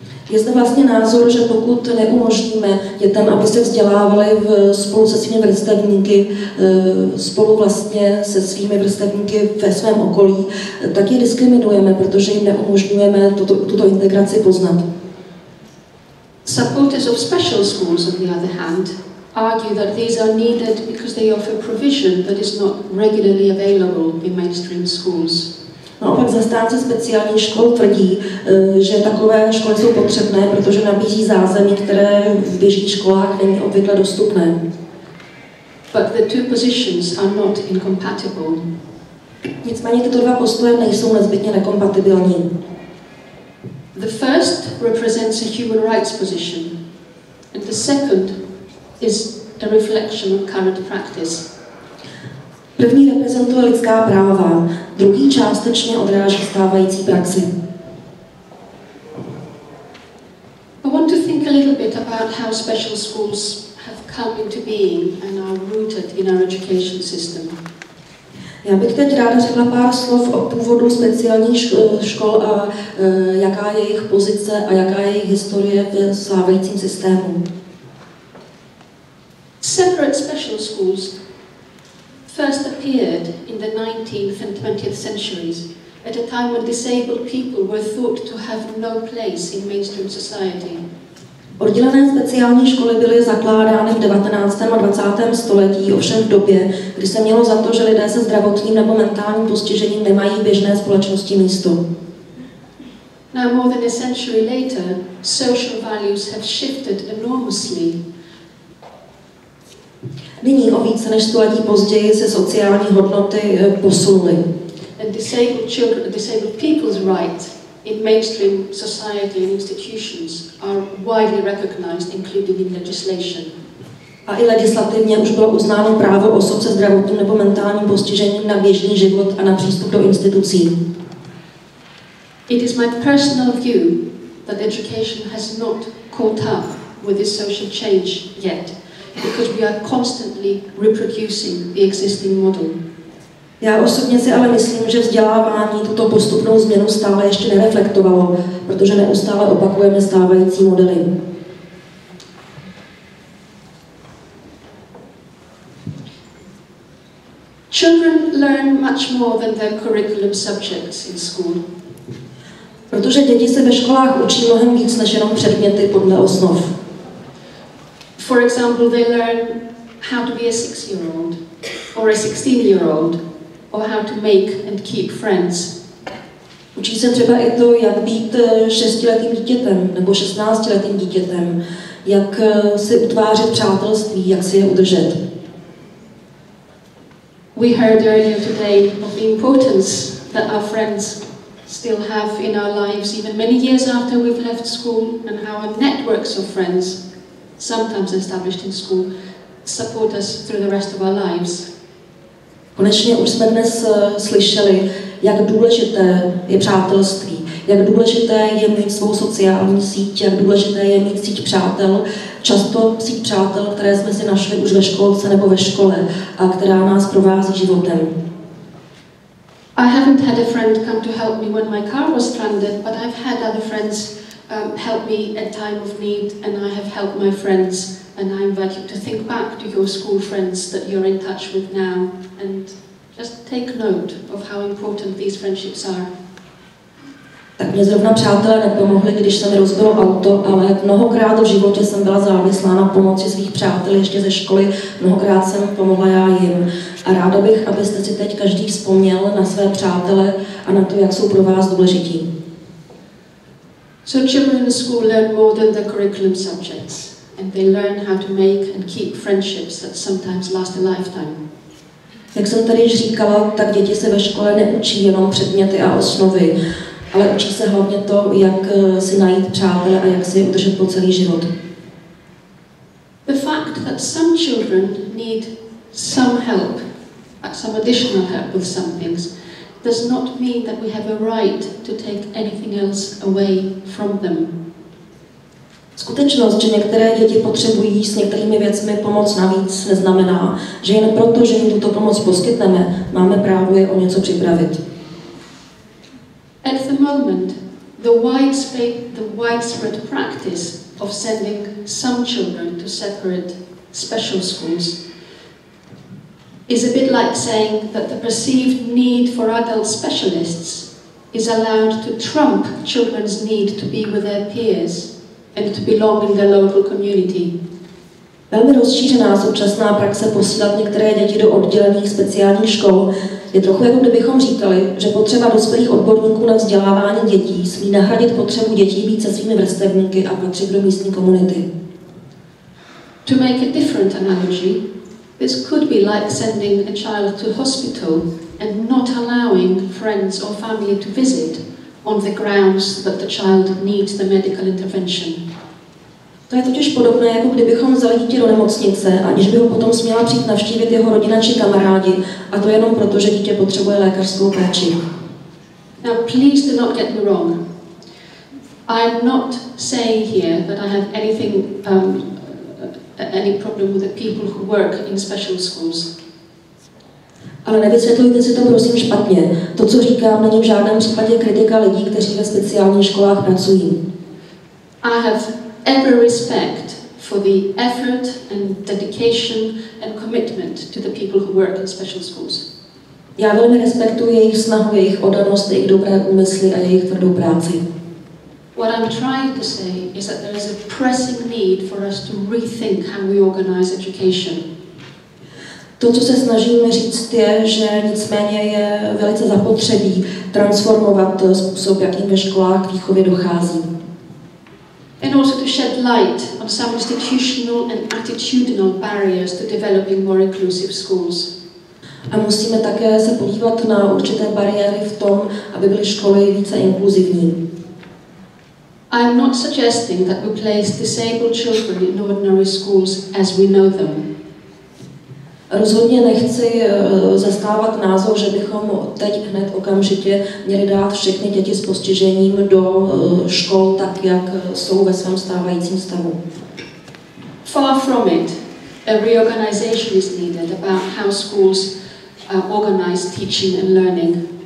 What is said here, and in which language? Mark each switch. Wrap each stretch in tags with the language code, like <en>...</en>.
<cs>Je zde vlastně názor, že pokud neumožníme dětem, aby se vzdělávali spolu se svými vrstevníky, spolu vlastně se svými vrstevníky ve svém okolí, tak je diskriminujeme, protože jim neumožňujeme tuto integraci poznat.</cs> <en>Supporters of special schools, on the other hand, argue that these are needed because they offer provision that is not regularly available in mainstream schools.</en> <cs>Naopak zastánci speciálních škol tvrdí, že takové školy jsou potřebné, protože nabízí zázemí, které v běžných školách není obvykle dostupné.</cs> <en>But the two positions are not incompatible.</en> <cs>Nicméně tyto dva postoje nejsou nezbytně nekompatibilní.</cs> <en>The first represents a human rights position, and the second is a reflection of current practice.</en> <cs>První reprezentuje lidská práva, druhý částečně odráží stávající praxi.</cs> <en>little bit about how special schools have come into being and are rooted in our education system?</en> <cs>Já bych teď ráda řekla pár slov o původu speciálních škol a jaká je jejich pozice a jaká je jejich historie v stávajícím systému.</cs> <en>Separate special schools first appeared in the 19th and 20th centuries at a time when disabled people were thought to have no place in mainstream society.</en> <cs>Oddělené speciální školy byly zakládány v 19. a 20. století, ovšem v době, kdy se mělo za to, že lidé se zdravotním nebo mentálním postižením nemají v běžné společnosti místo.</cs> <en>Now more than a century later, social values have shifted enormously.</en> <cs>Nyní o více než století později se sociální hodnoty posunuly.</cs> <en>And disabled children, disabled people's rights in mainstream society and institutions are widely recognized, including in legislation.</en> <cs>A i legislativně už bylo uznáno právo osob se zdravotním nebo mentálním postižením na běžný život a na přístup do institucí.</cs> <en>It is my personal view that education has not caught up with this social change yet, because we are constantly reproducing the existing model.</en> <cs>Já osobně si ale myslím, že vzdělávání tuto postupnou změnu stále ještě nereflektovalo, protože neustále opakujeme stávající modely.</cs> <en>Children learn much more than their curriculum subjects in school.</en> <cs>Protože děti se ve školách učí mnohem víc než jenom předměty podle osnov.</cs> <en>For example, they learn how to be a 6-year-old or a 16-year-old. Or how to make and keep friends.</en> <cs>Učí se třeba i to, jak být 6letým dítětem nebo 16letým dítětem, jak si utvářet přátelství, jak si je udržet.</cs> <en>We heard earlier today of the importance that our friends still have in our lives even many years after we've left school, and how our networks of friends, sometimes established in school, support us through the rest of our lives.</en> <cs>Konečně už jsme dnes slyšeli, jak důležité je přátelství, jak důležité je mít svou sociální síť, jak důležité je mít síť přátel, často síť přátel, které jsme si našli už ve školce nebo ve škole a která nás provází životem.</cs> <en>I haven't had a friend come to help me when my car was stranded, but I've had other friends help me at time of need, and I have helped my friends. And I invite you to think back to your school friends that you're in touch with now, and just take note of how important these friendships are.</en> <cs>Tak mě zrovna přátelé nepomohli, když se mi rozbilo auto, ale mnohokrát v životě jsem byla závislá na pomoci svých přátel ještě ze školy, mnohokrát jsem pomohla já jim. A ráda bych, abyste si teď každý vzpomněl na své přátele a na to, jak jsou pro vás důležití.</cs> <en>So children in school learn more than the curriculum subjects. And they learn how to make and keep friendships that sometimes last a lifetime.</en> <cs>Jak jsem tady již říkala, tak děti se ve škole neučí jenom předměty a osnovy, ale učí se hlavně to, jak si najít přátele a jak si je udržet po celý život.</cs> <en>The fact that some children need some help, some additional help with some things, does not mean that we have a right to take anything else away from them.</en> <cs>Skutečnost, že některé děti potřebují s některými věcmi pomoc navíc, neznamená, že jen proto, že jim tuto pomoc poskytneme, máme právo je o něco připravit.</cs> <en>At the moment, the widespread practice of sending some children to separate special schools is a bit like saying that the perceived need for adult specialists is allowed to trump children's need to be with their peers. And to belong in the local community.</en> <cs>Velmi rozšířená současná praxe posílat některé děti do oddělených speciálních škol je trochu jako kdybychom říkali, že potřeba dospělých odborníků na vzdělávání dětí smí nahradit potřebu dětí být se svými vrstevníky a patřit do místní komunity.</cs> <en>To make a different analogy, this could be like sending a child to hospital and not allowing friends or family to visit. On the grounds that the child needs the medical intervention.</en> <cs>To je totiž podobné, jako kdybychom vzali dítě do nemocnice, aniž by ho potom směla přijít navštívit jeho rodina či kamarádi, a to jenom proto, že dítě potřebuje lékařskou péči.</cs> <en>Now please do not get me wrong. I'm not saying here that I have anything any problem with the people who work in special schools.</en> <cs>Ale nevysvětlujte si to prosím špatně. To, co říkám, není v žádném případě kritika lidí, kteří ve speciálních školách pracují.</cs> <en>I have every respect for the effort and dedication and commitment to the people who work in special schools.</en> <cs>Já velmi respektuji jejich snahu, jejich oddanost, jejich dobré úmysly a jejich tvrdou práci.</cs> <en>What I'm trying to say is that there is a pressing need for us to rethink how we organize education.</en> <cs>To, co se snažím říct, je, že nicméně je velice zapotřebí transformovat způsob, jakým ve školách k výchově dochází.</cs> <en>And also to shed light on some institutional and attitudinal barriers to developing more inclusive schools.</en> <cs>A musíme také se podívat na určité bariéry v tom, aby byly školy více inkluzivní.</cs> <en>I'm not suggesting that we place disabled children in ordinary schools as we know them.</en> <cs>Rozhodně nechci zastávat názor, že bychom teď hned okamžitě měli dát všechny děti s postižením do škol tak, jak jsou ve svém stávajícím stavu.</cs> <en>Far from it, a reorganization is needed about how schools organize teaching and learning.</en>